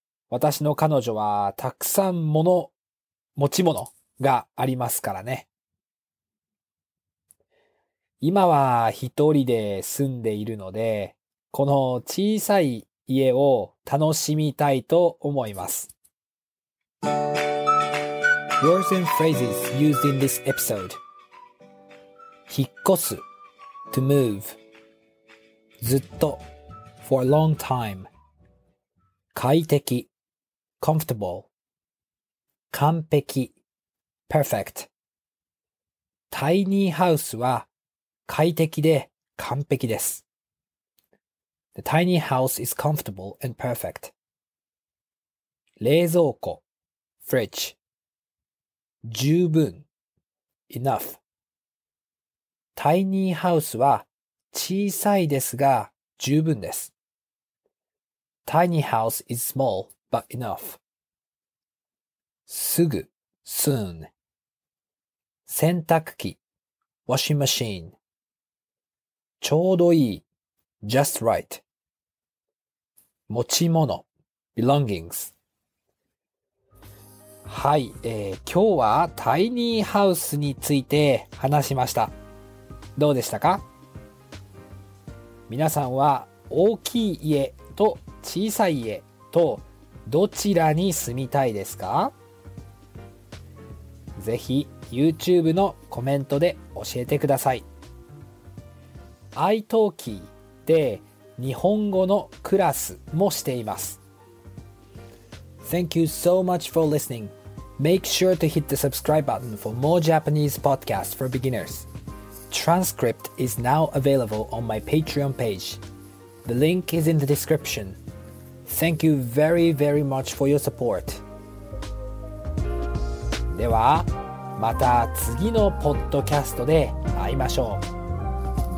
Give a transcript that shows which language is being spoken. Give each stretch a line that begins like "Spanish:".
Japanese: 私の彼女はたくさん持ち物がありますからね。今は一人で住んでいるので、この小さい家を楽しみたいと思います。
English: Words and phrases used in this episode. 引っ越す to move. ずっと for a long time. 快適 comfortable. 完璧 perfect.
Japanese: タイニーハウスは快適で完璧です。
English: The tiny house is comfortable and perfect. 冷蔵庫 fridge. 十分 enough。
Japanese: タイニーハウスは小さいですが十分です。
English: Tiny house is small but enough。 すぐ soon。洗濯機 washing machine。ちょうどいい just right。持ち物 belongings。
Japanese: はい、今日はタイニーハウスについて話しました。どうでしたか？皆さんは大きい家と小さい家とどちらに住みたいですか？ぜひ YouTube のコメントで教えてください。 iTalki で日本語のクラスもしています。
English: Thank you so much for listening. Make sure to hit the subscribe button for more Japanese podcasts for beginners. Transcript is now available on my Patreon page. The link is in the description. Thank you very, very much for your support.
Japanese: では、また次のポッドキャストで会いましょう。